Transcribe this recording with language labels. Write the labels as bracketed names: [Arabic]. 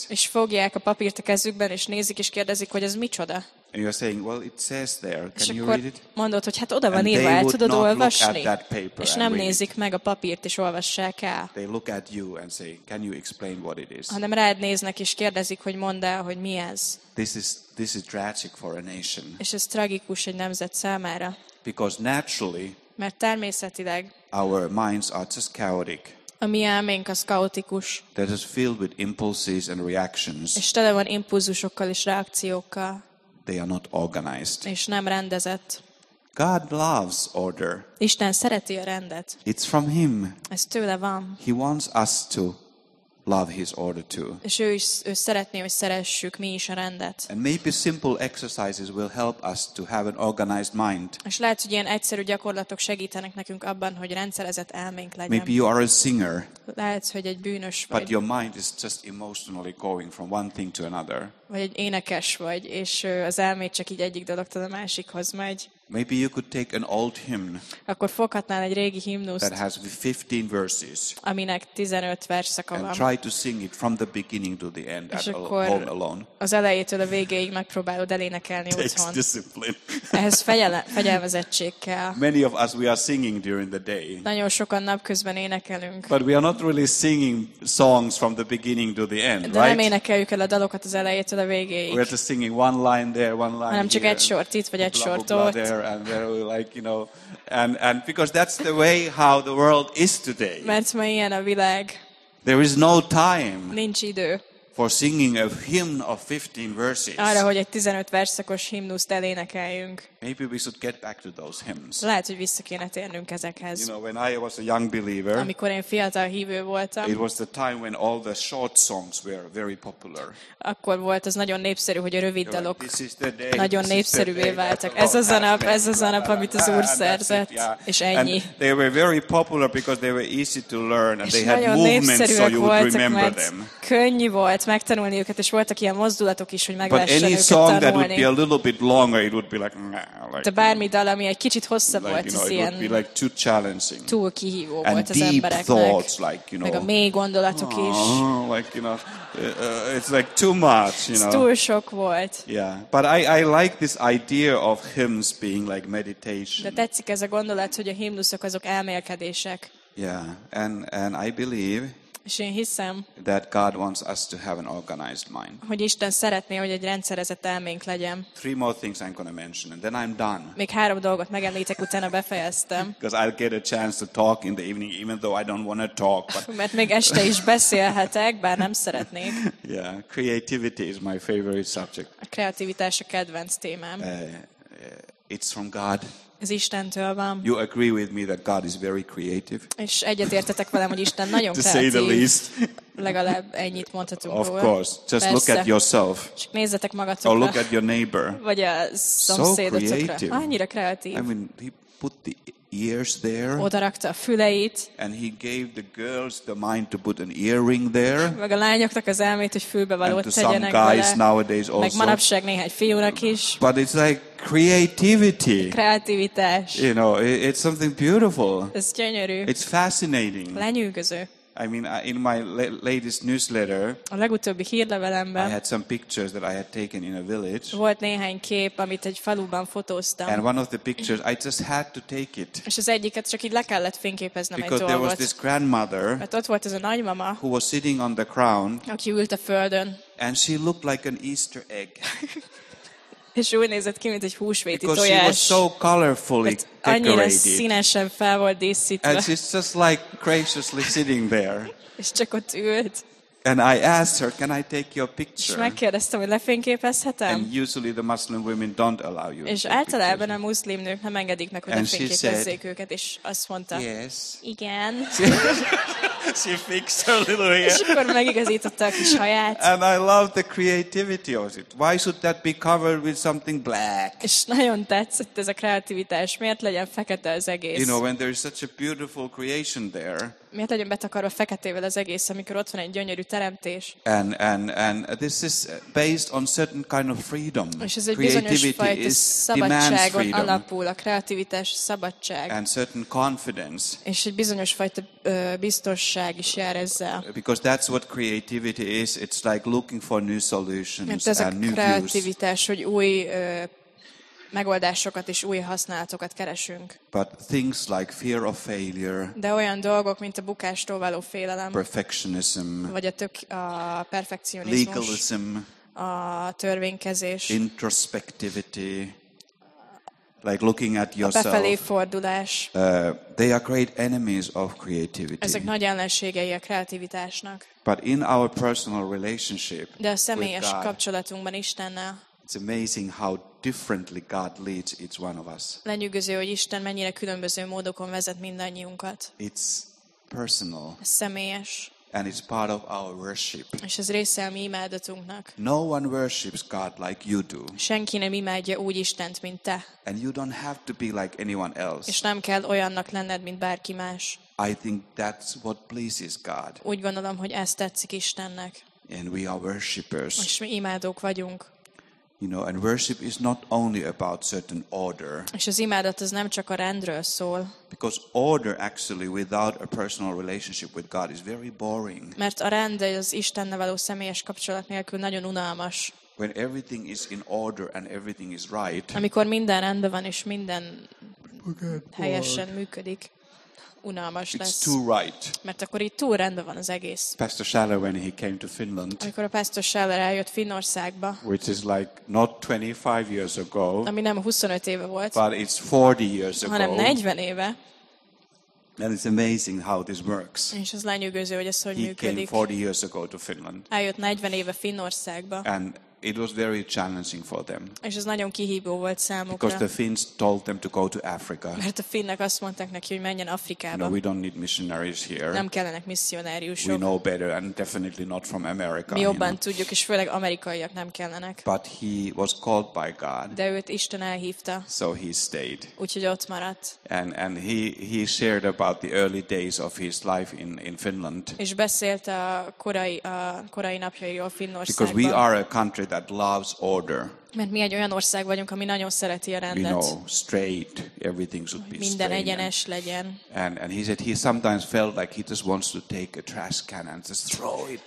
[Hungarian] És fogják a papírt a kezükben és nézik és kérdezik, hogy ez micsoda. [English] And you're saying, well, it says there. Can [Hungarian] és [English] you read it? [Hungarian] Mondod, hogy hát oda van írva, el tudod olvasni? [English] That paper [Hungarian] és nem nézik [English] it. [Hungarian] Meg a papírt, és olvassák el. [English] They look at you and say, can you explain what it is? [Hungarian] Hanem rád néznek, és kérdezik, hogy mondd el, hogy mi ez. [English] This is tragic for a nation. [Hungarian] És ez tragikus egy nemzet számára. [English] Because naturally, [Hungarian] mert természetileg, [English] our minds are just chaotic. [Hungarian] A mi elménk az kaotikus. [English] That is filled with impulses and reactions. [Hungarian] És tele van impulzusokkal és reakciókkal. [English] They are not organized. [Hungarian] És nem rendezett. [English] God loves order. [Hungarian] Isten szereti a rendet. [English] It's from him. [Hungarian] Ez tőle van. [English] He wants us to love his order too. [Hungarian] És ő szeretné, hogy szeressük mi is a rendet. [English] And maybe simple exercises will help us to have an organized mind. [Hungarian] És lehet, hogy ilyen egyszerű gyakorlatok segítenek nekünk abban, hogy rendszerezett elménk legyen. [English] Maybe you are a singer. [Hungarian] Lehet, hogy egy bűnös vagy. [English] But your mind is just emotionally going from one thing to another. [Hungarian] Vagy egy énekes vagy, és az elméd csak így egyik dologtól a másikhoz megy. [English] Maybe you could take an old hymn. [Hungarian] Akkor foghatnál egy régi himnuszt. [English] That has 15 verses. [Hungarian] Aminek 15 verszaka van. [English] And try to sing it from the beginning to the end at home alone. [Hungarian] Az elejétől a végéig megpróbálod elénekelni otthon. [English] Takes discipline. [Hungarian] Ehhez fegyelmezettség kell. [English] Many of us we are singing during the day. [Hungarian] Nagyon sokan napközben énekelünk. [English] But we are not really singing songs from the beginning to the end, right? [Hungarian] De nem énekeljük el a dalokat az elejétől a végéig. [English] We are just singing one line there, one line here. [Hungarian] Hanem csak egy sort itt vagy egy sort ott. [English] And there we like, you know, and because that's the way how the world is today. [Hungarian] Mert ma ilyen a világ. [English] There is no time. [Hungarian] Nincs idő. [English] For singing a hymn of 15 verses. [Hungarian] Arra, hogy egy 15 versszakos himnuszt elénekeljünk. [English] Maybe we should get back to those hymns. [Hungarian] Lehet, hogy vissza kéne térnünk ezekhez. [English] You know, when I was a young believer. [Hungarian] Amikor én fiatal hívő voltam. [English] It was the time when all the short songs were very popular. [Hungarian] Akkor volt az nagyon népszerű, hogy a rövid dalok nagyon népszerűvé váltak. Ez az a nap, amit az Úr szerzett, és ennyi. [English] And they were very popular because they were easy to learn and they had movements so you would remember them. [Hungarian] Könnyű volt megtanulni őket, és voltak ilyen mozdulatok is, hogy meg lehessen őket tanulni. [English] But any song that would be a little bit longer, it would be like, [Hungarian] de bármi dal, ami egy kicsit hosszabb [English] like, [Hungarian] volt, [English] you know, [Hungarian] ez ilyen [English] like too challenging. [Hungarian] Túl kihívó volt [English] and [Hungarian] az embereknek. [English] Thoughts, like, you know, [Hungarian] meg a mély gondolatok is. [English] Like, you know, it's like too much, you know. [Hungarian] Túl sok volt. [English] Yeah, but I like this idea of hymns being like meditation. [Hungarian] De tetszik ez a gondolat, hogy a himnuszok azok elmélkedések. [English] Yeah, and I believe [Hungarian] és én hiszem, [English] that God wants us to have an organized mind. [Hungarian] Hogy Isten szeretné, hogy egy rendszerezett elménk legyen. [English] Three more things I'm going to mention and then I'm done. [Hungarian] Még három dolgot megemlítek, utána befejeztem. [English] Because I'll get a chance to talk in the evening even though I don't want to talk, but [Hungarian] mert még este is beszélhetek, bár nem szeretnék. [English] Yeah, creativity is my favorite subject. [Hungarian] A kreativitás a kedvenc témám. [English] It's from God. [Hungarian] Ez Istentől van. [English] You agree with me that God is very creative? [Hungarian] És egyetértetek velem, hogy Isten nagyon kreatív. [English] To say the least. [Hungarian] Legalább ennyit mondhatunk róla. [English] Of course. Just look at yourself. [Hungarian] Csak nézzetek magatokra. [English] Or look at your neighbor. [Hungarian] Vagy a szomszédotokra. [English] So creative. [Hungarian] Annyira kreatív. [English] I mean, he put the ears there. [Hungarian] Oda rakta a füleit. [English] And he gave the girls the mind to put an earring there. [Hungarian] Meg a lányoknak az elmét, hogy fülbevalót tegyenek bele. [English] And to some guys nowadays also. [Hungarian] Meg manapság néhány fiúnak is. [English] But it's like creativity. [Hungarian] Kreativitás. [English] You know, it's something beautiful. [Hungarian] Ez gyönyörű. [English] It's fascinating. [Hungarian] Lenyűgöző. [English] I mean, in my latest newsletter, [Hungarian] a legutóbbi hírlevelemben, [English] I had some pictures that I had taken in a village. [Hungarian] Volt néhány kép, amit egy faluban fotóztam. [English] And one of the pictures, I just had to take it. [Hungarian] És az egyiket csak így le kellett fényképeznem egy dolgot. [English] Because there was this grandmother, [Hungarian] mert ott volt ez a nagymama, [English] who was sitting on the crown, [Hungarian] aki ült a földön. [English] And she looked like an Easter egg. [Hungarian] És úgy nézett ki, mint egy húsvéti [English] because [Hungarian] tojás. [English] Because she was so colorfully decorated. [Hungarian] Annyira színesen fel volt díszítve. [English] And she's just like graciously sitting there. [Hungarian] És csak ott ült. [English] And I asked her, can I take your picture? [Hungarian] És megkérdeztem, hogy lefényképezhetem? [English] And usually the Muslim women don't allow you. [Hungarian] És általában a muszlim nők nem engedik meg, hogy lefényképezzék őket. És azt mondta, [English] yes. [Hungarian] Igen. [English] She fixed her little hair. [Hungarian] És akkor megigazította a kis haját. [English] And I love the creativity of it. Why should that be covered with something black? [Hungarian] És nagyon tetszett ez a kreativitás. Miért legyen fekete az egész? [English] You know, when there is such a beautiful creation there. [Hungarian] Miért legyen betakarva feketével az egész, amikor ott van egy gyönyörű teremtés? [English] And this is based on certain kind of freedom. [Hungarian] És ez egy bizonyos fajta szabadságon alapul, a kreativitás, a szabadság. [English] And certain confidence. [Hungarian] És egy bizonyos fajta biztosság is jár ezzel. [English] Because that's what creativity is. It's like looking for new solutions and new views. [Hungarian] Mert ez a kreativitás, hogy új megoldásokat és új használatokat keresünk. [English] But things like fear of failure. [Hungarian] De olyan dolgok, mint a bukástól való félelem. [English] Perfectionism. [Hungarian] Vagy a perfekcionizmus. [English] Legalism. [Hungarian] A törvénykezés. [English] Introspectivity. Like looking at yourself. [Hungarian] A befelé fordulás. [English] They are great enemies of creativity. [Hungarian] Ezek nagy ellenségei a kreativitásnak. [English] But in our personal relationship [Hungarian] de a személyes kapcsolatunkban Istennel. [English] It's amazing how differently God leads each one of us. [Hungarian] Lenyűgöző, hogy Isten mennyire különböző módokon vezet mindannyiunkat. [English] It's personal. [Hungarian] Személyes. [English] And it's part of our worship. [Hungarian] És ez része a mi imádatunknak. [English] No one worships God like you do. [Hungarian] Senki nem imádja úgy Istent, mint te. [English] And you don't have to be like anyone else. [Hungarian] És nem kell olyannak lenned, mint bárki más. [English] I think that's what pleases God. [Hungarian] Úgy gondolom, hogy ez tetszik Istennek. [English] And we are worshipers. [Hungarian] És mi imádók vagyunk. [English] You know, and worship is not only about certain order. [Hungarian] És az imádat az nem csak a rendről szól. [English] Because order actually without a personal relationship with God is very boring. [Hungarian] Mert a rend az Istennel való személyes kapcsolat nélkül nagyon unalmas. [English] When everything is in order and everything is right. [Hungarian] Amikor minden rendben van és minden helyesen működik. Unalmas [English] it's [Hungarian] lesz. [English] Too right. [Hungarian] Mert akkor itt túl rendben van az egész. [English] Pastor Schaller, when he came to Finland, [Hungarian] amikor a Pastor Schaller eljött Finnországba, [English] which is like not 25 years ago, [Hungarian] ami nem 25 éve volt, [English] but it's 40 years ago, [Hungarian] hanem 40 éve, [English] and it's amazing how this works. [Hungarian] És az lenyűgöző, hogy ez hogy [English] he [Hungarian] működik. [English] Came 40 years ago to Finland, [Hungarian] eljött 40 éve Finnországba, [English] and it was very challenging for them. [Hungarian] És ez nagyon kihívó volt számukra. [English] Because the Finns told them to go to Africa. [Hungarian] Mert a finnek azt mondták neki, hogy menjen Afrikába. [English] No, we don't need missionaries here. [Hungarian] Nem kellenek misszionáriusok. [English] We know better, and definitely not from America. [Hungarian] Mi jobban tudjuk, és főleg amerikaiak nem kellenek. [English] But he was called by God. [Hungarian] De őt Isten elhívta. [English] So he stayed. [Hungarian] Úgyhogy ott maradt. [English] And he shared about the early days of his life in Finland. [Hungarian] És beszélt a korai napjairól Finnországban. [English] Because we are a country that loves order. [Hungarian] Mert mi egy olyan ország vagyunk, ami nagyon szereti a rendet. [English] You know, straight, everything should be [Hungarian] minden egyenes legyen. [English] And he said he sometimes felt like he just wants to take a trash can and just throw it.